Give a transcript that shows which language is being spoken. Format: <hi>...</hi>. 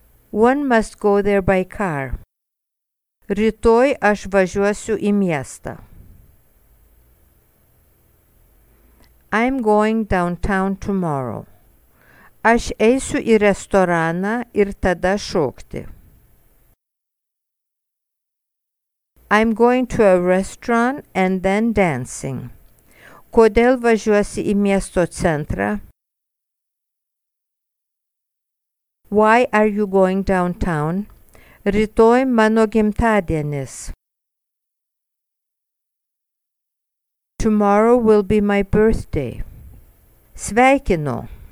<en>One must go there by car.</en> <lt>Rytoj aš važiuosiu į miestą.</lt> <en>I'm going downtown tomorrow.</en> <lt>Aš eisiu į restoraną ir tada šokti.</lt> <en>I'm going to a restaurant and then dancing.</en> <lt>Kodėl važiuosi į miesto centrą?</lt> <en>Why are you going downtown?</en> <lt>Rytoj mano gimtadienis.</lt> <en>Tomorrow will be my birthday.</en> <lt>Sveikinu.</lt>